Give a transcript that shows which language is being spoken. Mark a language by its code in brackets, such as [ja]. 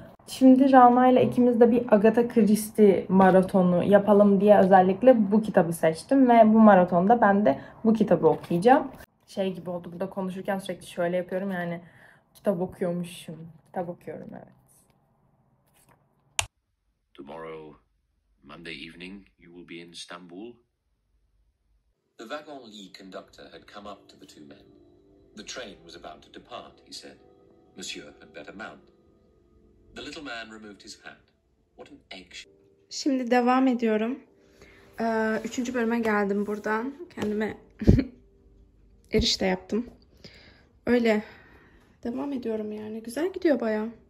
[tr] Şimdi Rana ile ikimiz de bir Agatha Christie maratonu yapalım diye özellikle bu kitabı seçtim ve bu maratonda ben de bu kitabı okuyacağım. Şey gibi oldu burada konuşurken sürekli şöyle yapıyorum yani kitap okuyormuşum. Kitap okuyorum evet. [en] Tomorrow, Monday evening, you will be in Istanbul. The wagon lead conductor had come up to the two men. The train was about to depart, he said. Monsieur had better mount. The little man removed his hat. What an action. [tr] Şimdi devam ediyorum. Üçüncü bölüme geldim buradan. Kendime erişte yaptım. Öyle. Devam ediyorum yani. Güzel gidiyor bayağı.